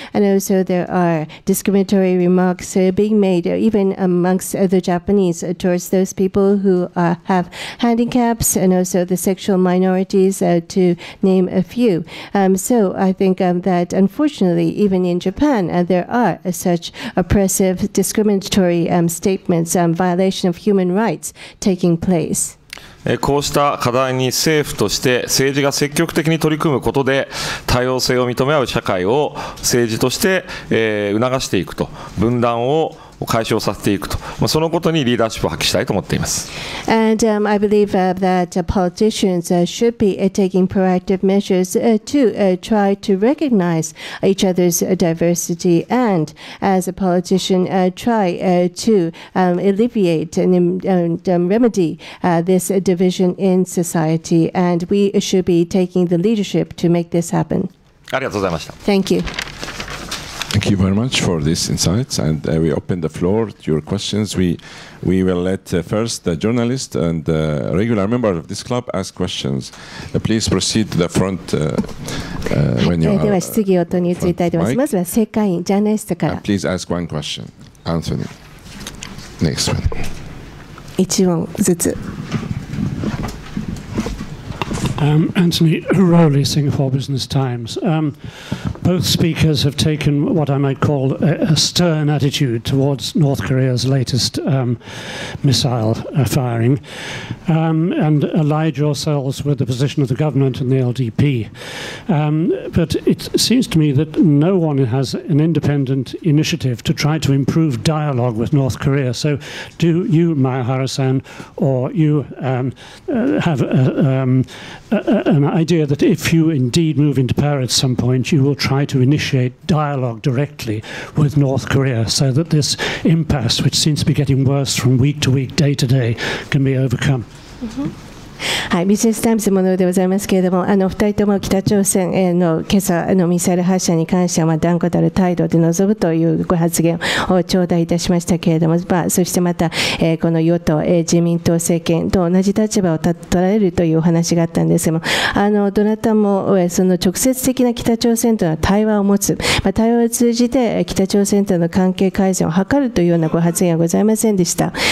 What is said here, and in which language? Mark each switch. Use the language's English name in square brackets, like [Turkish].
[English] And also there are discriminatory remarks、being made even amongst、the Japanese、towards those people who、havehandicaps and also the sexual minorities、to name a few、so I think、that unfortunately even in Japan、there are、such oppressive discriminatory、statements、violation of human rights taking place。 [Japanese] こうした課題に政府として政治が積極的に取り組むことで多様性を認め合う社会を政治として、促していくと、分断を解消させていくと、そのことにリーダーシップを発揮したいと思っています。 [English] And、I believe、that politicians、should be、taking proactive measures、to、try to recognize each other's diversity and as a politician、try、to、alleviate and、remedy、this division in society and we should be taking the leadership to make this happen。 [Japanese] ありがとうございました。 [English] Thank you。 Thank you very much for these insights and、we open the floor to your questions. We will let、first the journalist and the、regular member of this club ask questions.、please proceed to the front、when you are. [Japanese] では質疑応答に移りたいと思います。まずは政界員、ジャーナリストから。 [English] Please ask one question. Anthony. Next one. [Japanese] 一問ずつ。 [English] Anthony Hurley, Singapore Business Times.、both speakers have taken what I might call a stern attitude towards North Korea's latest、missile、firing、and allied yourselves with the position of the government and the LDP.、but it seems to me that no one has an independent initiative to try to improve dialogue with North Korea. So do you, Maya Harrison, or you have an idea that if you indeed move into power at some point, you will try to initiate dialogue directly with North Korea so that this impasse, which seems to be getting worse from week to week, day to day, can be overcome?、Mm-hmm. [Japanese] はい、ビジネスタイムズものでございますけれども、2人とも北朝鮮への今朝のミサイル発射に関しては断固たる態度で臨むというご発言を頂戴いたしましたけれども、まあ、そしてまた、この与党、自民党政権と同じ立場を取られるというお話があったんですけれども、どなたも、その直接的な北朝鮮との対話を持つ、まあ、対話を通じて北朝鮮との関係改善を図るというようなご発言はございませんでした。